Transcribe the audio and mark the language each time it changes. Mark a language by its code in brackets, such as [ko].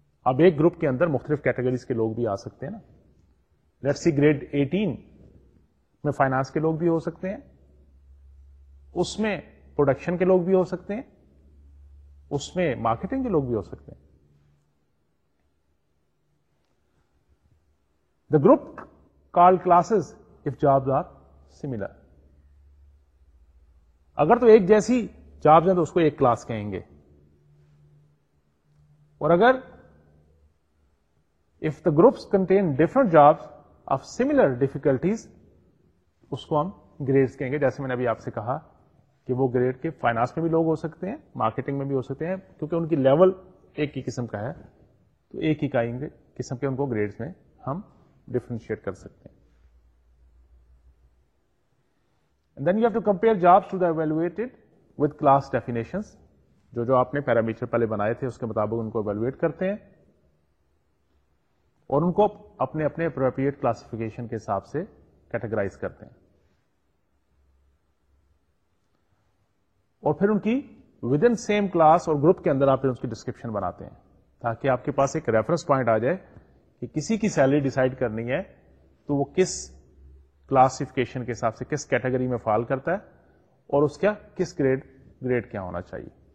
[ur] اب ایک گروپ کے اندر مختلف کیٹیگریز کے لوگ بھی آ سکتے ہیں نا. لیٹس سی گریڈ 18 میں فائنانس کے لوگ بھی ہو سکتے ہیں, اس میں پروڈکشن کے لوگ بھی ہو سکتے ہیں, اس میں مارکیٹنگ کے لوگ بھی ہو سکتے ہیں. [en] The group called classes if jobs are similar. [ur] اگر تو ایک جیسی جابز ہیں تو اس کو ایک کلاس کہیں گے, اور اگر [en] if the groups contain different jobs of similar difficulties [ur] اس کو ہم گریڈز کہیں گے. جیسے میں نے ابھی آپ سے کہا کہ وہ گریڈ کے فائنانس میں بھی لوگ ہو سکتے ہیں, مارکیٹنگ میں بھی ہو سکتے ہیں, کیونکہ ان کی لیول ایک ہی قسم کا ہے, تو ایک ہی قسم کے ان کو گریڈز میں ہم ڈیفرنشیٹ کر سکتے ہیں. [en] And then you have to compare jobs to the evaluated with class definitions. [ur] جو آپ نے پیرامیٹر پہلے بنائے تھے اس کے مطابق ان کو ایویلویٹ کرتے ہیں اور ان کو اپنے اپنے اپروپریٹ کلاسیفیکیشن کے حساب سے کیٹیگرائز کرتے ہیں, اور پھر ان کی [en] within same class [ur] اور گروپ کے اندر آپ اس کی ڈسکرپشن بناتے ہیں تاکہ آپ کے پاس ایک ریفرنس پوائنٹ آ جائے کہ کسی کی سیلری ڈیسائیڈ کرنی ہے تو وہ کس کلاسیفیکیشن کے حساب سے کس کیٹیگری میں فال کرتا ہے اور اس کا کس گریڈ کیا ہونا چاہیے,